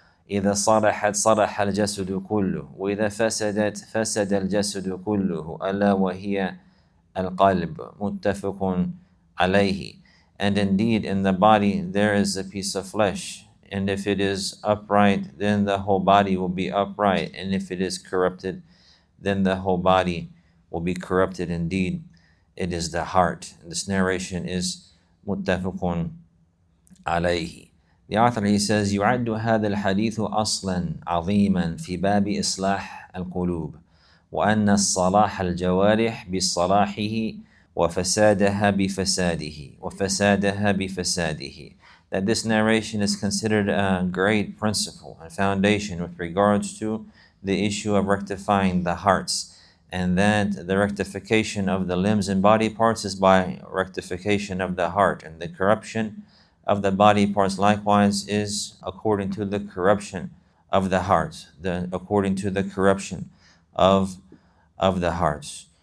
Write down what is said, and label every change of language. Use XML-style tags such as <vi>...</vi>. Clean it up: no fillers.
<ar>إذا صلحت صلح الجسد كله وإذا فسدت فسد الجسد كله ألا وهي القلب متفق عليه.</ar> <en>And indeed in the body there is a piece of flesh, and if it is upright then the whole body will be upright, and if it is corrupted then the whole body will be corrupted. Indeed it is the heart. This narration is متفق عليه. The author, he says,</en> <ar>يُعَدُّ هَذَا الْحَدِيثُ أَصْلًا عَظِيمًا فِي بَابِ إِصْلَاحِ الْقُلُوبِ وَأَنَّ الصَّلَاحَ الْجَوَارِحِ بِصَلَاحِهِ وَفَسَادَهَا بِفَسَادِهِ وَفَسَادَهَا بِفَسَادِهِ.</ar> <en>That this narration is considered a great principle and foundation with regards to the issue of rectifying the hearts, and that the rectification of the limbs and body parts is by rectification of the heart, and the corruption of the body parts likewise is according to the corruption of the hearts, according to the corruption of the hearts.</en>